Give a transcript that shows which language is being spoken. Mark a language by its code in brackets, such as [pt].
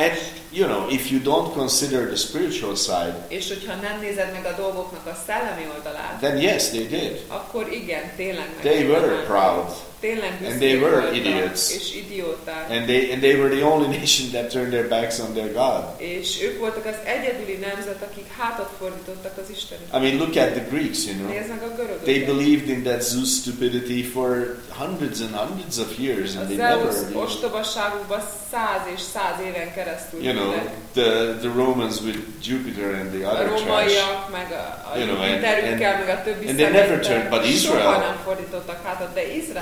[en] And, you know, if you don't consider the spiritual side, [hu] és hogyha nem nézed meg a dolgoknak a szellemi oldalát, [en] then yes, they did. [hu] Akkor igen, tényleg meg. [en] They were proud. And they were idiots. And they were the only nation that turned their backs on their God. [hu] És ők voltak az egyedüli nemzet, akik hátat fordítottak az Istenüknek. [en] I mean, look at the Greeks, you know. They believed in that Zeus stupidity for hundreds and hundreds of years, and they never. [hu] Az ostobaságukba száz és száz éven keresztül. [en] You know, the Romans with Jupiter and the other trash. [hu] A rómaiak meg a Jupiterükkel meg a többi. [en] And they never turned, but Israel. [hu] Soha nem fordítottak hátat, de Izrael.